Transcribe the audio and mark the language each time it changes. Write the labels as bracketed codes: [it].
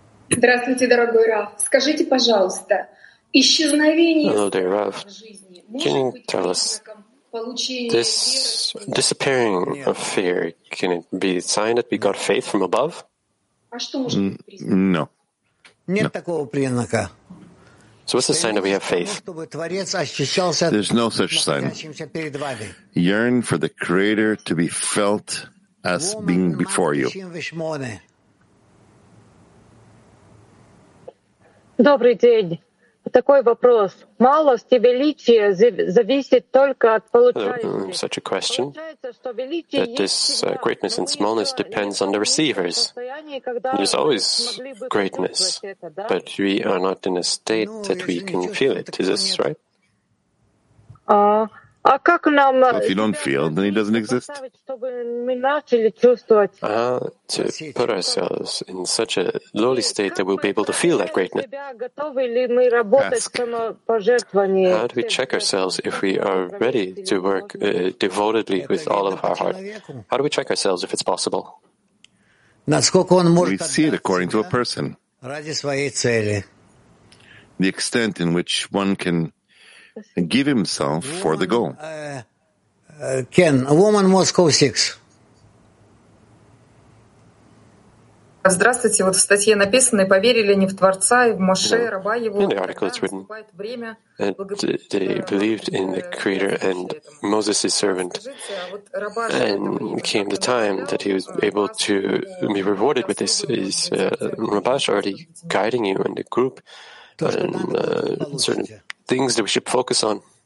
[ru] Здравствуйте, дорогой Раф. Скажите, пожалуйста, исчезновение... [en] Hello there, Raf. Can you tell us, this disappearing of fear, can it be a sign that we got faith from above? No. [ru] Нет такого признака. [en] So what's the sign that we have faith? There's no such sign. Yearn for the Creator to be felt as being before you. [ru] Добрый день. Такой вопрос. Малость и величие зависит только от получающего. [en] Such a question. That this greatness and smallness depends on the receivers. There's always greatness, but we are not in a state that we can feel it. Is this right? [ru] А как нам? [en] If you don't feel, then it doesn't exist. To put ourselves in such a lowly state that we'll be able to feel that greatness. Ask. How do we check ourselves if we are ready to work devotedly with all of our heart? How do we check ourselves if it's possible? We see it according to a person. The extent in which one can give himself for the goal. Ken, a woman, Moscow 6. [ru] Здравствуйте. Вот в статье написано, поверили не в Творца, и в Моше, раба его. [en] In the article it's written, and they believed in the Creator and Moses' servant. And came the time that he was able to be rewarded with this. Is Rabash already guiding you and the group and certain things that we should focus on?